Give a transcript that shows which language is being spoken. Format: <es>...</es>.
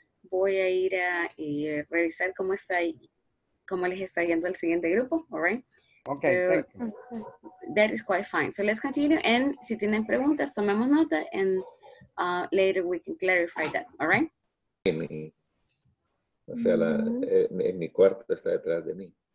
<es>Voy a ir a revisar cómo está ahí, cómo les está yendo el siguiente grupo,</es> <en>all right? Okay, so, that is quite fine. So let's continue, and</en> <es>si tienen preguntas, tomemos nota,</es> <en>and later we can clarify that, all right?</en> <es>O sea, mi cuarto está detrás de mí.</es>